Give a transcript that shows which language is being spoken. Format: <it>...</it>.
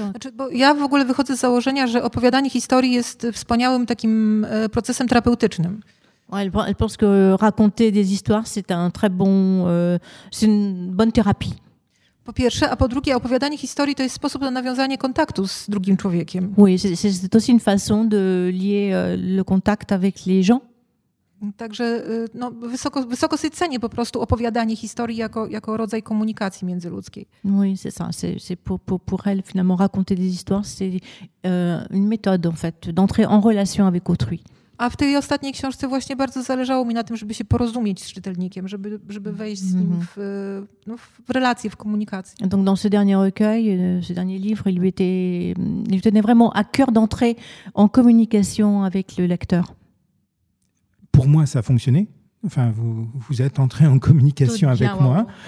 <pl>Znaczy, bo ja w ogóle wychodzę z założenia, że opowiadanie historii jest wspaniałym takim procesem terapeutycznym.</pl> <fr>Elle pense que raconter des histoires, c'est un très bon, c'est une bonne thérapie.</fr> <pl>Po pierwsze, a po drugie, opowiadanie historii to jest sposób na nawiązanie kontaktu z drugim człowiekiem.</pl> <fr>Oui, c'est aussi une façon de lier le contact avec les gens.</fr> <pl>Także no, wysoko sobie cenię po prostu opowiadanie historii jako rodzaj komunikacji międzyludzkiej.</pl> <fr>Oui, c'est ça. C'est pour elle, finalement, raconter des histoires, c'est une méthode, en fait, d'entrer en relation avec autrui.</fr> <pl>A w tej ostatniej książce właśnie bardzo zależało mi na tym, żeby się porozumieć z czytelnikiem, żeby wejść z nim w relację, w komunikację.</pl> <fr>Donc dans ce dernier recueil, ce dernier livre, il tenait vraiment à cœur d'entrer en communication avec le lecteur. Pour moi, ça a fonctionné. Enfin, vous êtes entré en communication avec moi.</fr>